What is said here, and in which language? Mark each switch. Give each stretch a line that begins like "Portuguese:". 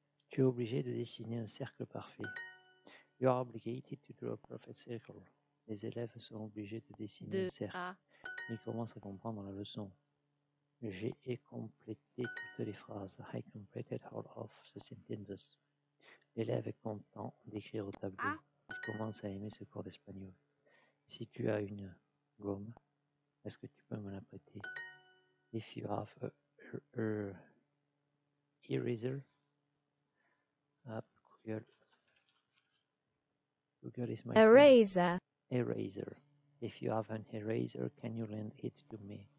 French: Tu es obligé de dessiner un cercle parfait.
English: You are obligated to draw a perfect circle.
French: Les élèves sont obligés de dessiner un cercle. Ils commencent à comprendre la leçon. J'ai complété toutes les phrases.
English: I completed all of the sentences.
French: L'élève est content d'écrire au tableau. Il commence à aimer ce cours d'espagnol. Si tu as une gomme, est-ce que tu peux me la prêter?
English: If you have a eraser, Google is my eraser. Friend. Eraser. If you have an eraser, can you lend it to me?